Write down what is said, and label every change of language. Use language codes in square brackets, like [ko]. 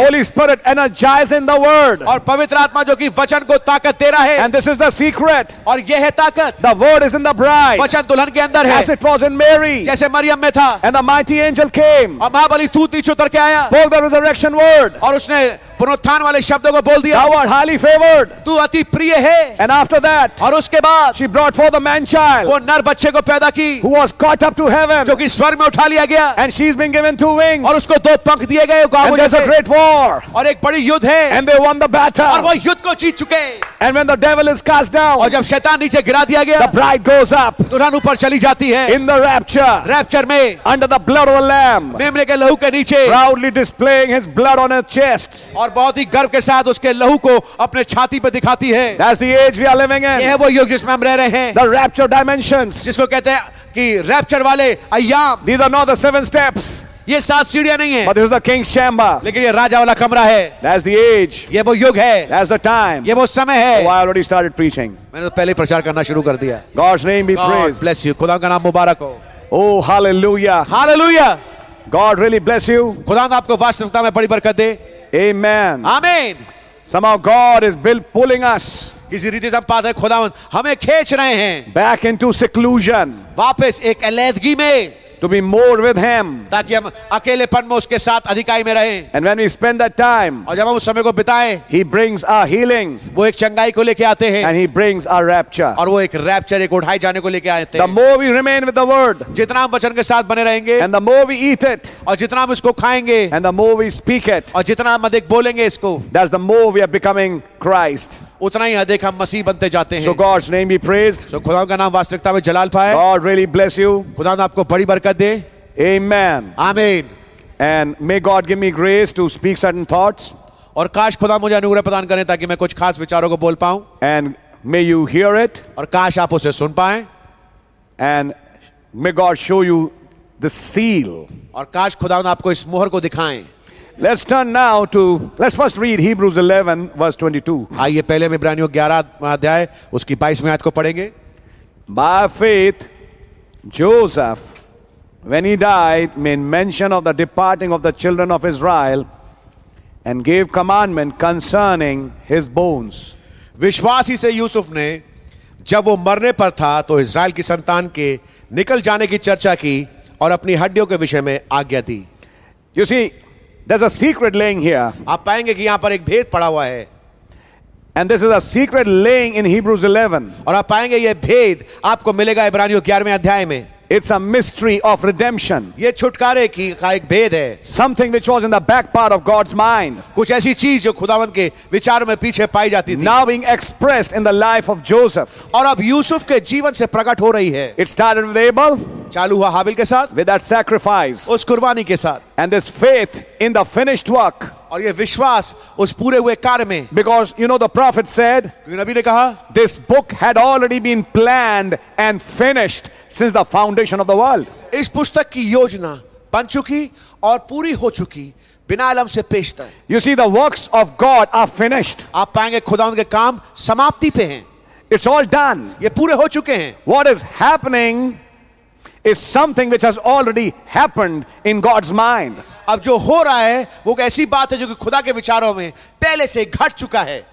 [en] Holy spirit energizes in the word. [hi] और पवित्र आत्मा जो कि वचन को ताकत दे रहा है. [en] And this is the secret. [hi] और ये है ताकत. [en] The word is in the bride. [hi] वचन दुल्हन के अंदर है. [en] As it was in Mary. [hi] जैसे मरियम में था. [en] And the mighty angel came. [hi] और महाबली थूत नीचे उतर के आया. [en] Spoke the resurrection word. [hi] और उसने पुनरुत्थान वाले शब्दों को बोल दिया. [en] Thou art highly favored. [hi] तू अति प्रिय है. [en] And after that, [hi] और उसके बाद, [en] she brought forth the man child. [hi] वो नर बच्चे को पैदा की. [en] Who was caught up to heaven. [hi] जो कि स्वर्ग में उठा लिया गया. [en] And she's been given two wings. [hi] और उसको दो पंख दिए गए. [en] And there's a great war. [hi] और एक बड़ी युद्ध है. [en] And they won the battle. [hi] और वो युद्ध को जीत चुके. [en] And when the devil is cast down. [hi] और जब शैतान नीचे गिरा दिया गया. [en] The bride goes up. [hi] दुल्हन ऊपर चली जाती है. [en] In the rapture. [hi] Rapture में. [en] Under the blood of the lamb. [hi] मेमने के लहू के नीचे. [en] Proudly displaying his blood on her chest. [hi] और बहुत ही गर्व के साथ उसके लहू को अपने छाती पे दिखाती है. [en] That's the age we are living in. [hi] ये है वो युग जिसमें हम रह रहे हैं. [en] The rapture dimensions. [hi] जिसको कहते हैं कि रैप्चर वाले अय्याम. [en] These are not the seven steps. [hi] ये सात सीढ़ियां नहीं है. [en] But this is the king's chamber. [hi] लेकिन ये राजा वाला कमरा है. [en] That's the age. [hi] ये वो युग है. [en] That's the time. [hi] ये वो समय है. [en] So I already started preaching. [hi] मैंने तो पहले प्रचार करना शुरू कर दिया. [en] God's name be praised. God bless you. [hi] खुदा का नाम मुबारक हो. [en] Oh hallelujah. [hi] Hallelujah. [en] God really bless you. [hi] खुदा आपको वास्तविकता में बड़ी बरकत दे. [en] Amen. [hi] Amen. [en] Somehow God is built pulling us. [hi] किसी रीति से पाते खुदावंद हमें खींच रहे हैं. [en] Back into seclusion. [hi] वापस एक अलैदगी में. [en] to be more with him. [hi] ताकि हम अकेलेपन में उसके साथ अधिकाई में रहें. [en] And when we spend that time, [hi] और जब हम उस समय को बिताएं, [en] he brings our healing. [hi] वो एक चंगाई को लेके आते हैं. [en] And he brings our rapture. [hi] और वो एक रैप्चर, एक उठाई जाने को लेके आते हैं. [en] The more we remain with the word, [hi] जितना हम वचन के साथ बने रहेंगे. [en] And the more we eat it, [hi] और जितना हम इसको खाएंगे. [en] And the more we speak it, [hi] और जितना हम अधिक बोलेंगे इसको. [en] That's the more we are becoming Christ. [hi] उतना ही अधिक हम मसीह बनते जाते हैं. [en] So God's name be praised. [hi] So खुदा का नाम वास्तविकता में जलाल पाए. [en] God really bless you. [hi] खुदा ने आपको बड़ी बरकत दे. [en] Amen. [hi] Amen. [en] And may God give me grace to speak certain thoughts. [hi] और काश खुदा मुझे अनुग्रह प्रदान करें ताकि मैं कुछ खास विचारों को बोल पाऊं. [en] And may you hear it. [hi] और काश आप उसे सुन पाएं. [en] And may God show you the seal. [hi] और काश खुदा आपको इस मोहर को दिखाएं. [en] Let's turn now to, let's first read Hebrews 11 verse 22. [hi] आइए पहले इब्रानियों 11 अध्याय उसकी 22वीं आयत को पढ़ेंगे. [en] By faith, Joseph, when he died, made mention of the departing of the children of Israel and gave commandment concerning his bones. [hi] विश्वास ही से यूसुफ ने जब वो मरने पर था तो इज़राइल की संतान के निकल जाने की चर्चा की और अपनी हड्डियों के विषय में आज्ञा दी. [en] You see, there's a secret laying here. [hi] आप पाएंगे कि यहाँ पर एक भेद पड़ा हुआ है. [en] And this is a secret laying in Hebrews 11. [hi] और आप पाएंगे ये भेद आपको मिलेगा इब्रानियों 11वें अध्याय में. [en] It's a mystery of redemption. [hi] ये छुटकारे की का एक भेद है. [en] Something which was in the back part of God's mind. [hi] कुछ ऐसी चीज जो खुदावंद के विचारों में पीछे पाई जाती थी. [en] Now being expressed in the life of Joseph. [hi] और अब यूसुफ के जीवन से प्रकट हो रही है. [en] It started with Abel. [hi] चालू हुआ हाबिल के साथ. [en] With that sacrifice. [hi] उस कुर्बानी के साथ. [en] And this faith in the finished work. [hi] और ये विश्वास उस पूरे हुए कार्य में. [en] Because you know the prophet said. [hi] नबी ने कहा. [en] This book had already been planned and finished. Since the foundation of the world. [hi] इस पुस्तक की योजना बन चुकी और पूरी हो चुकी बिना आलम से पेशतर. [en] You see, the works of God are finished. [hi] आप पाएंगे खुदावंद के काम समाप्ति पे हैं. [en] It's all done. [hi] ये पूरे हो चुके हैं. [en] What is happening is something which has already happened in God's mind. [hi] अब जो हो रहा है वो एक ऐसी बात है जो कि खुदा के विचारों में पहले से घट चुका है.